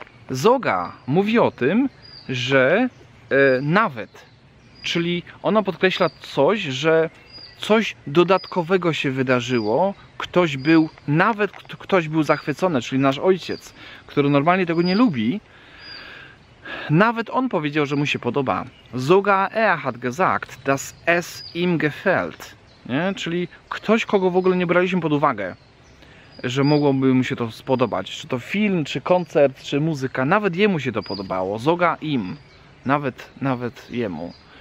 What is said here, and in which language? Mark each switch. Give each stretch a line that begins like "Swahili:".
Polish: Zoga mówi o tym, że nawet, czyli ona podkreśla coś, że coś dodatkowego się wydarzyło, ktoś był, nawet ktoś był zachwycony, czyli nasz ojciec, który normalnie tego nie lubi, nawet on powiedział, że mu się podoba.
German: Sogar er hat gesagt, dass es ihm gefällt.
Polish: Nie? Czyli ktoś, kogo w ogóle nie braliśmy pod uwagę, że mogłoby mu się to spodobać. Czy to film, czy koncert, czy muzyka, nawet jemu się to podobało.
German: Sogar ihm, nawet jemu.